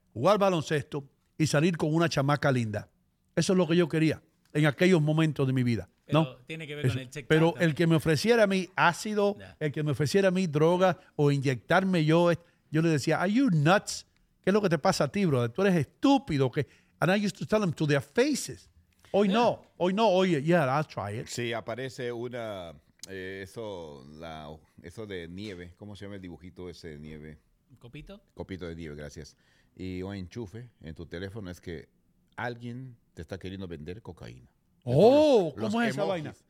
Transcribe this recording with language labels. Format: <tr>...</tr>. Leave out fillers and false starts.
<es>jugar baloncesto y salir con una chamaca linda. Eso es lo que yo quería en aquellos momentos de mi vida. Pero ¿no? tiene que ver eso. Con el check-out. Pero también. El que me ofreciera a mí ácido, yeah. el que me ofreciera a mí droga o inyectarme yo, yo le decía,</es> <en>are you nuts?</en> <es>¿Qué es lo que te pasa a ti, brother? Tú eres estúpido. ¿Qué?</es> <en>And I used to tell them to their faces. Hoy yeah.</en> <es>no, hoy no, hoy,</es> <en>yeah, I'll try it.</en> <es>Sí, aparece una, eso de nieve, ¿cómo se llama el dibujito ese de nieve? ¿Copito? Copito de nieve, gracias. Y un enchufe en tu teléfono es que alguien te está queriendo vender cocaína. ¡Oh! ¿Cómo es esa vaina?</es>